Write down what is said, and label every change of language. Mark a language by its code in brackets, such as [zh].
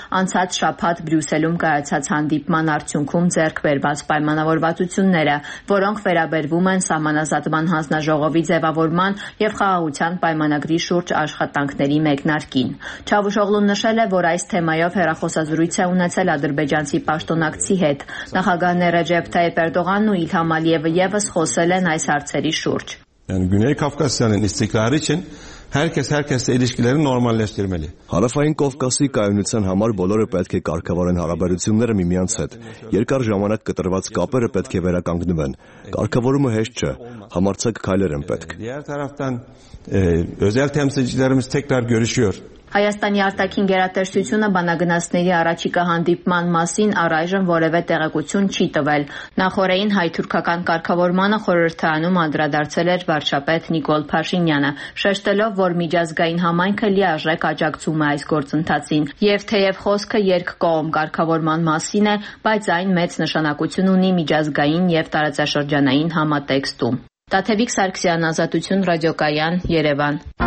[hy] անցած շաբաթ Բրյուսելում կայացած հանդիպման արդյունքում ձեռք բերված պայմանավորվածությունները, որոնք վերաբերվում են սահմանազատման հանձնաժողովի ձևավորման եւ խաղաղության պայմանագրի շուրջ աշխատանքների մեկնարկին։ Չավուշօղլուն նշել է, որ այս թեմայով հերախոսազրույց է ունեցել ադրբեջանցի պաշտոնակցի հետ։ Նախագահներ Ռեջեփ Թայյիփ Էրդողանն ու Իլհամ Ալիևը եւս խոսել են այս հարցերի շուրջ։ [tr] Yani Güney Kafkasya'nın istikrarı için herkes herkesle ilişkileri normalleştirmeli. [hy] Հարավային Կովկասի կայունության համար բոլորը պետք է կարգավորեն հարաբերությունները միմյանց հետ։ Երկար ժամանակ կտրված կապերը պետք է վերականգնվեն։ Կարգավորումը հեշտ չէ, համարձակ քայլեր են պետք։ [tr] Diğer taraftan özel temsilcilerimiz tekrar görüşüyor. [hy] Հայաստանի արտաքին գերատեսչությունը բանակցությունների առաջիկա հանդիպման մասին առայժմ որևէ տեղեկություն չի տվել։ Նախորդին հայ-թուրքական կարգավորմանը խորհրդարանում անդրադարձել էր վարչապետ Նիկոլ Փաշինյանը, շեշտելով, որ միջազգային համայնքը լիարժեք աջակցում է այս գործընթացին, և թեև խոսքը երկկողմ կարգավորման մասին է, բայց այն մեծ նշանակություն ունի միջազգային և տարածաշրջանային համատեքստում։ Տաթևիկ Սարգսյան, Ազատություն ռադիոկայան, Երևան։